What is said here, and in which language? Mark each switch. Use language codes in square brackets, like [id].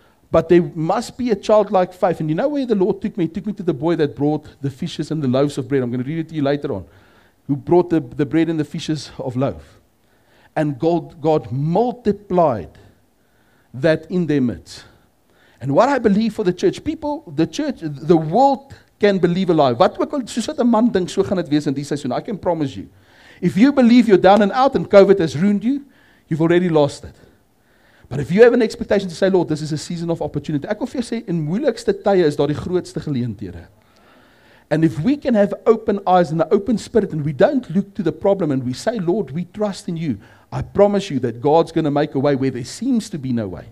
[en] But there must be a childlike faith. And you know where the Lord took me? He took me to the boy that brought the fishes and the loaves of bread. I'm going to read it to you later on. Who brought the bread and the fishes of loaf. And God multiplied that in their midst. And what I believe for the church, people, the church, the world can believe a lie. [af] Wat ook al, soos wat 'n man dink, so gaan dit wees in die seisoen. [en] I can promise you. If you believe you're down and out and COVID has ruined you, you've already lost it. But if you have an expectation to say, Lord, this is a season of opportunity. [af] Ek wil vir jou sê, in moeilikste tye is daar die grootste geleenthede. [en] And if we can have open eyes and an open spirit and we don't look to the problem and we say, Lord, we trust in you, I promise you that God's going to make a way where there seems to be no way.